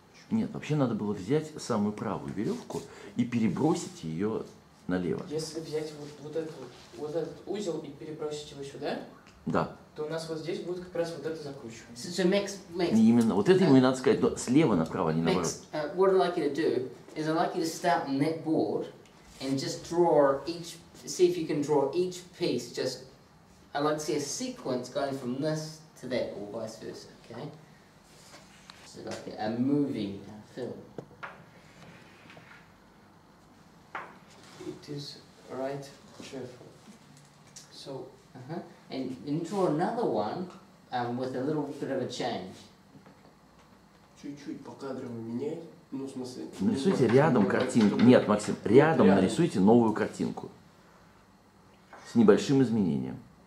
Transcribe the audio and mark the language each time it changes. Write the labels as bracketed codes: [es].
[ru] Нет, вообще надо было взять самую правую веревку и перебросить ее налево. Если взять вот этот узел и перебросить его сюда, да. то у нас вот здесь будет как раз вот это закручивание. [en] So Max, [ru] именно, вот это ему и надо сказать, но слева направо, а не наоборот. [en] What I'd like you to do is I'd like you to start on that board and just draw each, see if you can draw each piece, just, I'd like to see a sequence going from this to that or vice versa, okay? So like a movie, a film. It is right trefoil. So. And draw another one with a little bit of a change. [ru] Чуть-чуть по кадрам менять, ну в смысле. Нарисуйте рядом картинку. Нет, Максим, рядом нарисуйте новую картинку. С небольшим изменением.